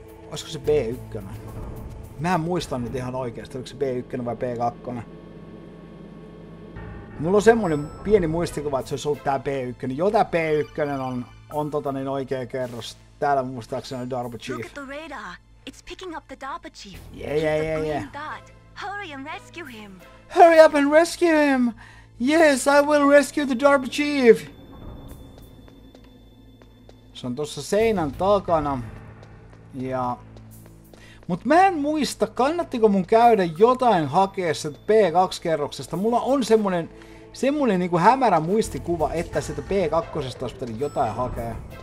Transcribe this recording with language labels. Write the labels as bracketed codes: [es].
[fi] Olisiko se B1? Mä en muista nyt ihan oikeesti, oliko se B1 vai B2. Mulla on semmonen pieni muistikuva, että se olisi ollut tää B1. Joo, tää B1 on tota niin oikea kerros. Täällä muistaakseni DARPA Chief. [en] Look at the radar. It's picking up the DARPA Chief. Yeah. Hurry and rescue him. Hurry up and rescue him. Yes, I will rescue the DARPA Chief. [fi] Se on tuossa seinän takana. Ja... mut mä en muista, kannattiko mun käydä jotain hakea sieltä B2-kerroksesta. Mulla on semmonen niinku hämärä muistikuva, että sieltä B2-kerroksesta olisi pitänyt jotain hakea.